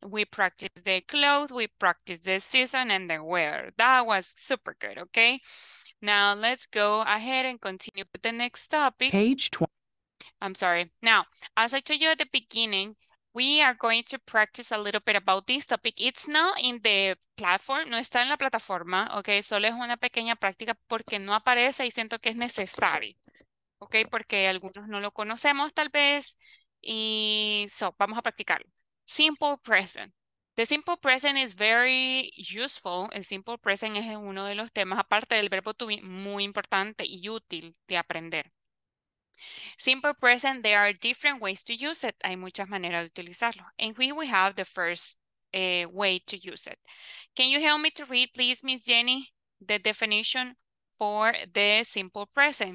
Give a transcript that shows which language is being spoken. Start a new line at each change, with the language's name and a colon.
English: We practiced the clothes, we practiced the season and the weather. That was super good, okay? Now let's go ahead and continue with the next topic. Page 20. I'm sorry. Now, as I told you at the beginning, we are going to practice a little bit about this topic. It's not in the platform,
Spanish: no está en la plataforma,
English: okay?
Spanish: Solo es una pequeña práctica porque no aparece y siento que es necesario, okay? Porque algunos no lo conocemos tal vez. Y so, vamos a practicarlo.
English: Simple present. The simple present is very useful.
Spanish: El simple present es uno de los temas, aparte del verbo to be, muy importante y útil de aprender.
English: Simple present, there are different ways to use it.
Spanish: Hay muchas maneras de utilizarlo.
English: And we have the first way to use it. Can you help me to read, please, Miss Jenny, the definition for the simple present?